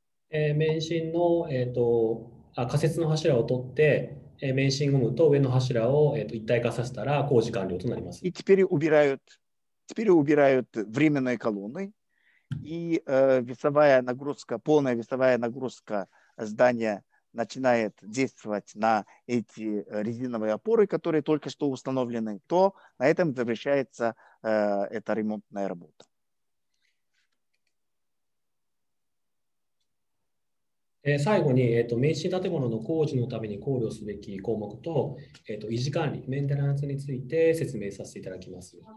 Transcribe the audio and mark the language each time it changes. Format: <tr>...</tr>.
<ja>免震の仮設の柱を取って、免震ゴムと上の柱を一体化させたら工事完了となります。</ja> <ru>И теперь убирают, временные колонны, и весовая нагрузка, полная весовая нагрузка здания начинает действовать на эти резиновые опоры, которые только что установлены, то на этом завершается эта ремонтная работа.</ru> <ja>最後に、免震建物の工事のために考慮すべき項目と、維持管理、メンテナンスについて説明させていただきます。</ja>